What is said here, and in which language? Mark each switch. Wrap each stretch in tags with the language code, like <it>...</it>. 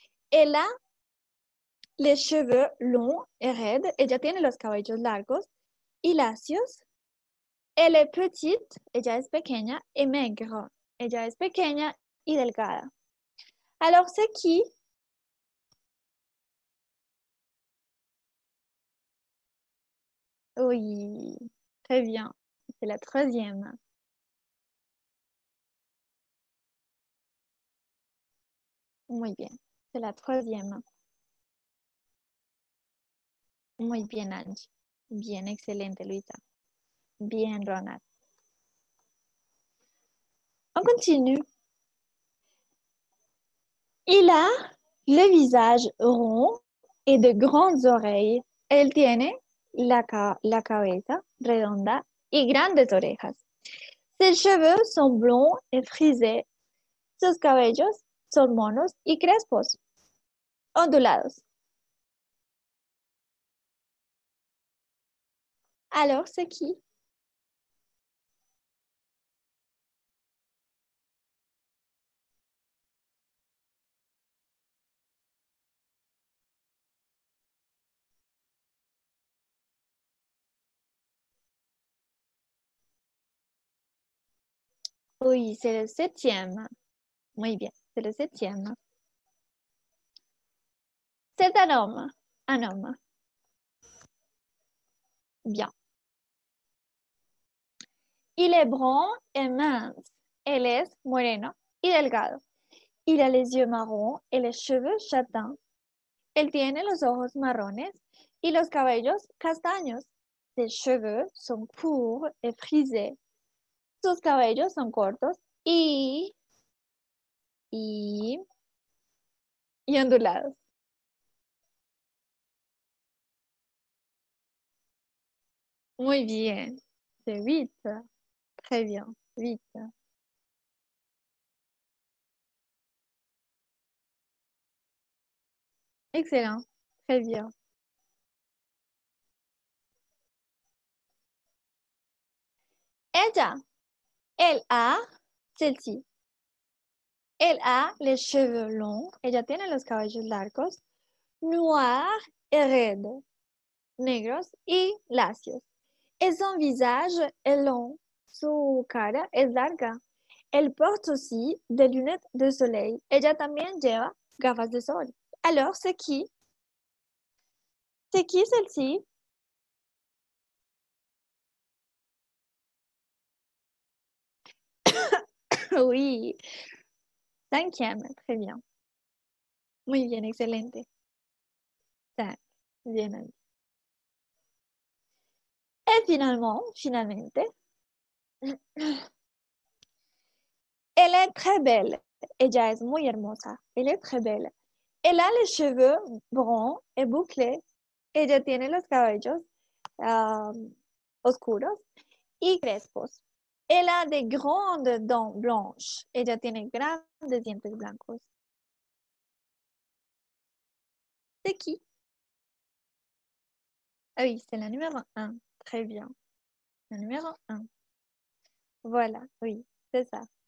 <fr>Elle a les cheveux longs et raides.</fr> <es>Ella tiene los cabellos largos y lacios.</es> <fr>Elle est petite.</fr> <es>Ella es pequeña y maigre. Ella es pequeña y delgada.</es> <fr>Alors, c'est qui? Oui, très bien. C'est la 3e.</fr> <es>Muy bien.</es> <fr>C'est la 3e.</fr> <es>Muy bien, Angie. Bien, excelente, Luisa. Bien, Ronald.</es> <fr>On continue. Il a le visage rond et de grandes oreilles.</fr> <es>Elle tiene la cabeza redonda y grandes orejas.</es> <fr>Ses cheveux sont blonds et frisés.</fr> <es>Sus cabellos son monos y crespos, ondulados.</es> <fr>Alors, c'est qui? Oui, c'est le septième.</fr> <es>Muy bien,</es> <fr>c'est le septième. C'est un homme. Bien. Il est brun et mince. Il est</fr> <es>moreno y delgado.</es> <fr>Il a les yeux marrons et les cheveux châtains.</fr> <es>Il tiene los ojos marrones y los cabellos castaños.</es> <fr>Ses cheveux sont courts et frisés.</fr> <es>Sus cabellos son cortos y ondulados. Muy bien.</es> <fr>C'est huit. Très bien. Huit. Excellent. Très bien. Ella. Elle a celle-ci. Elle a les cheveux longs.</fr> <es>Ella tiene los cabellos largos.</es> <fr>Noirs et raides.</fr> <es>Negros y lacios.</es> <fr>Et son visage est long.</fr> <es>Su cara es larga.</es> <fr>Elle porte aussi des lunettes de soleil.</fr> <es>Ella también lleva gafas de sol.</es> <fr>Alors, c'est qui? C'est qui celle-ci? Oui. Cinquième. Très bien.</fr> <es>Muy bien. Excelente.</es> <fr>Cinq. Bien. Et finalement, elle est très belle.</fr> <es>Ella es muy hermosa.</es> <fr>Elle est très belle. Elle a les cheveux bruns et bouclés.</fr> <es>Ella tiene los cabellos oscuros y crespos.</es> <fr>Elle a de grandes dents blanches.</fr> <es>Ella tiene grandes dientes blancos.</es> <fr>C'est qui? Ah oui, c'est la numéro 1. Très bien. Le numéro 1. Voilà, oui, c'est ça.</fr>